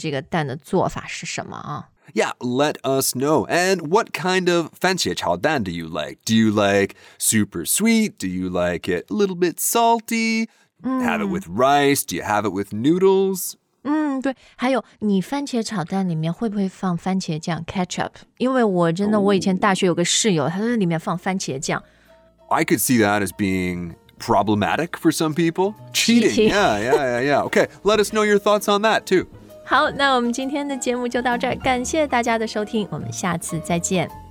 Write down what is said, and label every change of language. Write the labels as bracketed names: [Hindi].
[Chinese] 对,我觉得你可以从凉皮现在转到皮蛋豆腐,夏天嘛,也是很凉爽的吃了。好,那我们今天的节目就到这儿,不知道大家最喜欢吃的这个蛋的做法是什么啊。Yeah, [English] let us know. And what kind of 番茄炒蛋 do you like? Do you like super sweet? Do you like it a little bit salty? Have it with rice? Do you have it with noodles? [Chinese] 对,还有你番茄炒蛋里面会不会放番茄酱, ketchup? 因为我真的,我以前大学有个室友, 他说里面放番茄酱。 [English] I could see that as being problematic for some people. Cheating, yeah. Okay, let us know your thoughts on that too. [Chinese] 好,那我们今天的节目就到这儿,感谢大家的收听,我们下次再见。